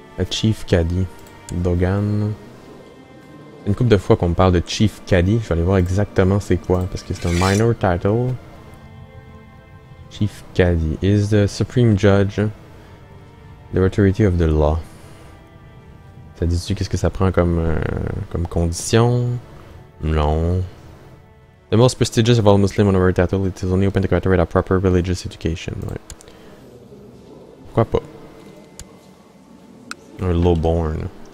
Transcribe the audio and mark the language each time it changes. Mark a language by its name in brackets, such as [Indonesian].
[English] Chief Caddy. Dogan. [French] Une couple de fois qu'on me parle de Chief Caddy, je vais aller voir exactement c'est quoi, parce que c'est un minor title. [English] Chief Caddy is the supreme judge, the authority of the law. [French] Ça dit-tu qu'est-ce que ça prend comme, comme condition? Non. [English] The most prestigious of all Muslim honorary title, it is only open to graduate a proper religious education. [French] Ouais. Pourquoi pas? Un lowborn.